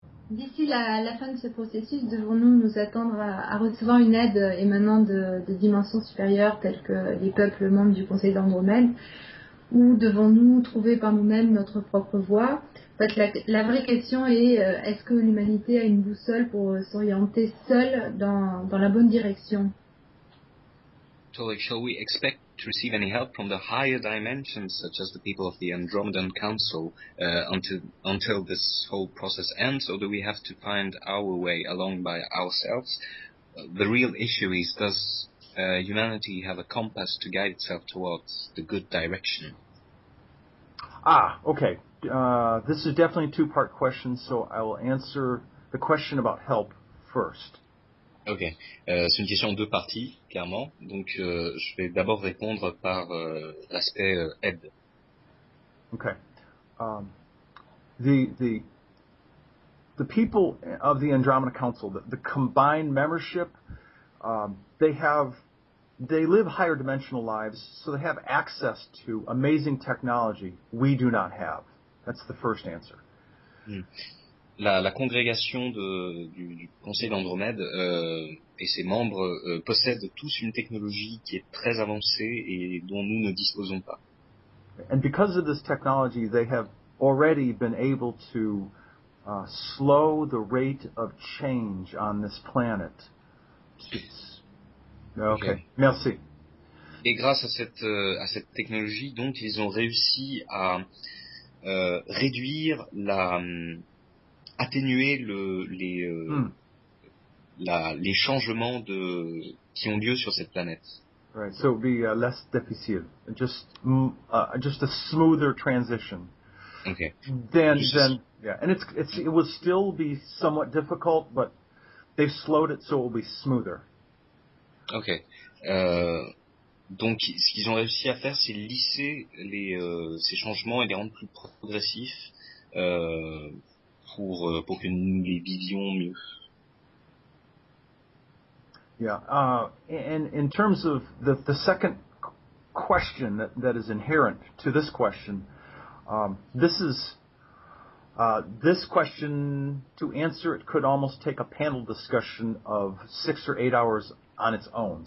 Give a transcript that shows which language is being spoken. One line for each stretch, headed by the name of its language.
French: D'ici la fin de ce processus, devons-nous nous attendre à recevoir une aide émanant de dimensions supérieures, telles que les peuples membres du Conseil d'Andromède, ou devons-nous trouver par nous-mêmes notre propre voie? En fait, la vraie question est-ce que l'humanité a une boussole pour s'orienter seule dans la bonne direction?
English: So, like, shall we expect to receive any help from the higher dimensions, such as the people of the Andromedan Council, until this whole process ends, or do we have to find our way along by ourselves? The real issue is, does humanity have a compass to guide itself towards the good direction? Ah, okay. This is definitely a two-part question, so I will answer the question about help first.
French: Ok, c'est une question en deux parties, clairement. Donc, je vais d'abord répondre par l'aspect aide. Ok.
English: The people of the Andromeda Council, the combined membership, they live higher dimensional lives, so they have access to amazing technology we do not have. That's the first answer.
French: La congrégation du Conseil d'Andromède et ses membres possèdent tous une technologie qui est très avancée et dont nous ne disposons pas.
English: And because of this technology, they have already been able to slow the rate of change on this planet. Okay. Merci.
French: Et grâce à cette technologie, donc, ils ont réussi à réduire atténuer les changements qui ont lieu sur cette planète.
English: Right, so it would be less difficile, just a smoother transition. Okay. It will still be somewhat difficult, but they've slowed it so it will be smoother. Okay.
French: Donc, ce qu'ils ont réussi à faire, c'est lisser ces changements et les rendre plus progressifs pour que nous les vivions mieux.
English: Yeah. In terms of the second question that is inherent to this question, this is This question, to answer it, could almost take a panel discussion of 6 or 8 hours on its own.